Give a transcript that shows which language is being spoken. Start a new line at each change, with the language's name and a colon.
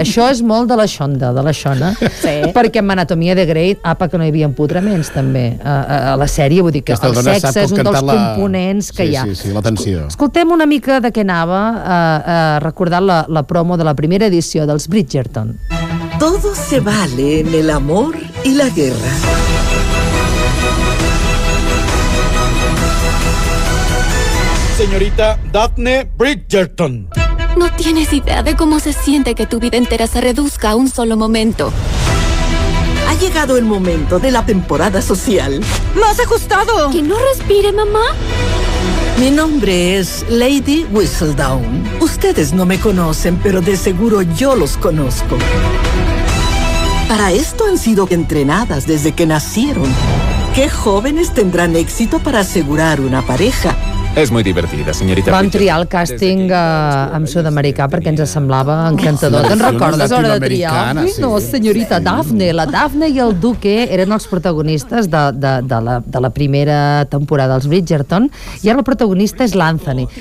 Catalan: Això és molt de la Xonda, de la Xona, sí. Perquè en Anatomia de Grey, apa, que no hi havia emputraments, també, a la sèrie, vull dir que el sexe és un dels components que sí, hi ha. Sí, sí, l'atenció. Escoltem una mica de què anava, recordant la promo de la primera edició dels Bridgerton.
Spanish: Todo se vale en el amor y la guerra. Señorita Daphne Bridgerton. No tienes idea de cómo se siente que tu vida entera se reduzca a un solo momento. Ha llegado el momento de la temporada social. ¡Más ajustado! ¿Que no respire, mamá? Mi nombre es Lady Whistledown. Ustedes no me conocen, pero de seguro yo los conozco. Para esto han sido entrenadas desde que nacieron. ¿Qué jóvenes tendrán éxito para asegurar una pareja?
Catalan: És molt divertida, senyorita. Vam triar el càsting amb sud-americà perquè ens semblava encantador. Te'n recordes, hora de triar? No, senyorita Daphne. La Daphne i el Duque eren els protagonistes de la primera temporada dels Bridgerton, i ara el protagonista és l'Anthony.